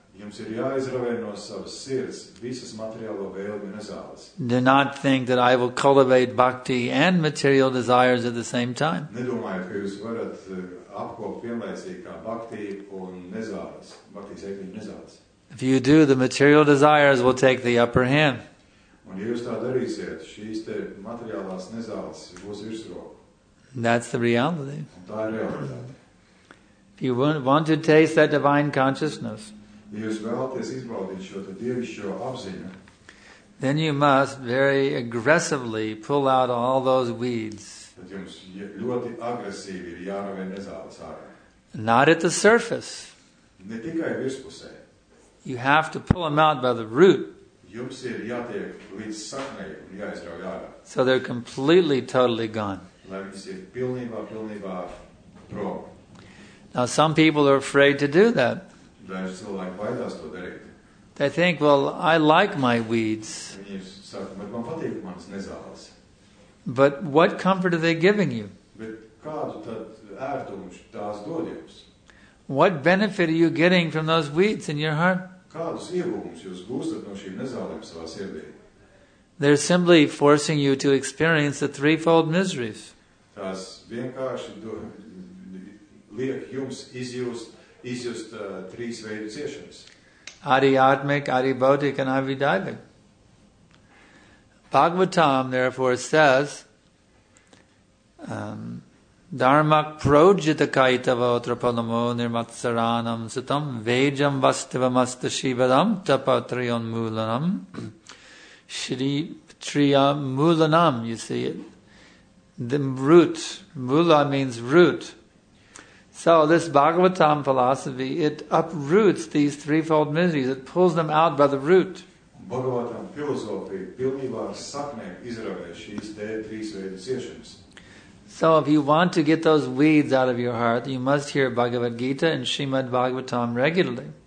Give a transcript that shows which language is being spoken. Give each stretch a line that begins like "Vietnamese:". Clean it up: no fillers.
Latvian: Jums ir jāizravē no savas sirds visas materiālo vēlmi nezāles.
English: Do not think that I will cultivate bhakti and material desires at the same time.
Latvian: Nedomājiet, ka jūs varat apkopt vienlaicīgi kā bhakti un nezāles, bhakti sēkliņu nezāles.
English: If you do, the material desires will take the upper hand.
Latvian: Un ja jūs tā darīsiet, šīs te materiālās nezāles būs virsroku.
English: That's the reality.
Latvian: Un tā ir realitāte.
English: If you want to taste that divine consciousness,
Latvian: ja jūs vēlaties izbaudīt šo te dievišķo apziņu,
English: then you must very aggressively pull out all those weeds.
Latvian: Tad jums ļoti agresīvi ir jārauj nezāles ārā.
English: Not at the surface.
Latvian: Ne tikai virspusē.
English: You have to pull them out by the root.
Latvian: Jums ir jātiek līdz saknei un jāizrauj ārā.
English: So they're completely, totally gone.
Latvian: Lai viņas ir pilnībā, pilnībā prom.
English: Now some people are afraid to do that.
Latvian: Dažs cilvēki baidās to darīt.
English: They think, well, I like my weeds.
Latvian: Viņi saka, bet man patīk manas nezāles.
English: But what comfort are they giving you?
Latvian: Bet kādu tad ērtumu tās dod jums?
English: What benefit are you getting from those weeds in your heart?
Latvian: Kādus ievūmus jūs gūstat no šīm nezālēm savā sirdī?
English: They're simply forcing you to experience the threefold miseries.
Latvian: tās vienkārši liek jums izjust trīs veidu ciešanas.
Sanskrit: Adi Atmik, Adi Bhautik, and Adi Daivik.
English: Bhagavatam, therefore, says,
Sanskrit: Dharmak projita kaitava utrapalamo nirmatsaranam sutam vejam vastivamasta shivadam tapatriyon mulanam shri triya mulanam.
English: You see it. The root. Mula means root. So this Bhagavatam philosophy, it uproots these threefold miseries. It pulls them out by the root.
Latvian: Bhagavatam philosophy pilnībā sakne izravē šīs trīs veidu ciešanas.
English: So if you want to get those weeds out of your heart, you must hear Bhagavad Gita and Srimad Bhagavatam regularly.